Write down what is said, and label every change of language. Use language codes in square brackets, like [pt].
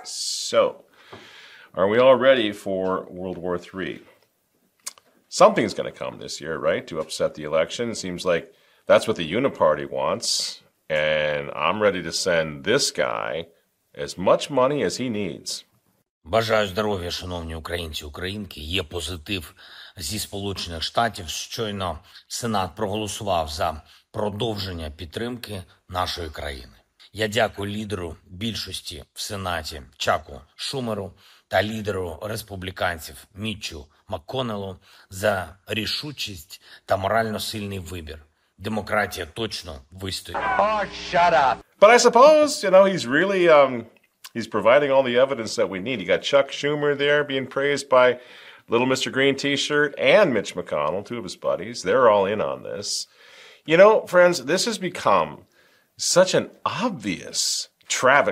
[en] So, are we all ready for World War III? Something's going to come this year, right, to upset the election. It seems like that's what the Uniparty wants, and I'm ready to send this guy as much money as he needs. [uk] Бажаю здоров'я, шановні українці, українки. Є позитив зі Сполучених Штатів. Щойно Сенат проголосував за продовження підтримки нашої країни. Я дякую лідеру більшості в Сенаті Чаку Шумеру та лідеру республіканців Мітчу МакКонелу за рішучість та морально сильний вибір. Демократія точно вистоїть. [en] Oh, shut up. But I suppose, you know, he's really he's providing all the evidence that we need. You got Chuck Schumer there being praised by Little Mr. Green T-shirt and Mitch McConnell, two of his buddies. They're all in on this. You know, friends, this has become such an obvious travesty.